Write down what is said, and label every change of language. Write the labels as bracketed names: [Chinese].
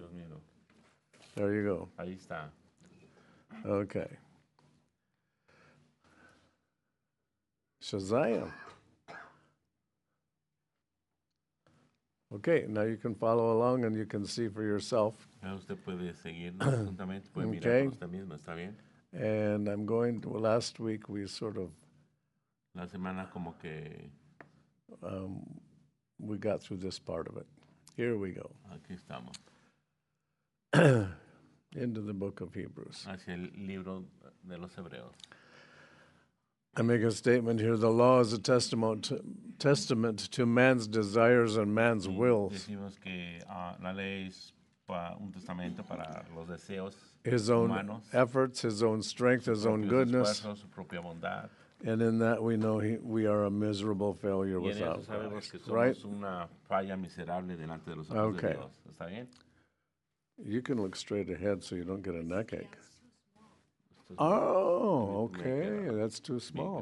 [Spanish] Dios mío. [English] There you go. [Spanish] Ahí está. [English] Okay. Shazam. Okay, now you can follow along and you can see for yourself. [Spanish] Usted puede seguirnos juntamente, puede mirarnos usted mismo, está bien. [English] And I'm going to, well, last week we sort of [Spanish] la semana como que [English] we got through this part of it. Here we go. [Spanish] Aquí estamos. [English] Into the book of Hebrews. [Spanish] Hacia el libro de los Hebreos. [English] I make a statement here. The law is a testament to man's desires and man's will. [Spanish] Decimos que la ley es un testamento para los deseos humanos. [English] His own efforts, his own strength, his own goodness. [Spanish] Su propia bondad. [English] And in that we know we are a miserable failure without Christ. [Spanish] Y en eso sabemos que somos right? Una falla miserable delante de los ojos [English] okay. [Spanish] De Dios. ¿Está bien? [English] You can look straight ahead so you don't get a neck ache. Oh, okay. That's too small.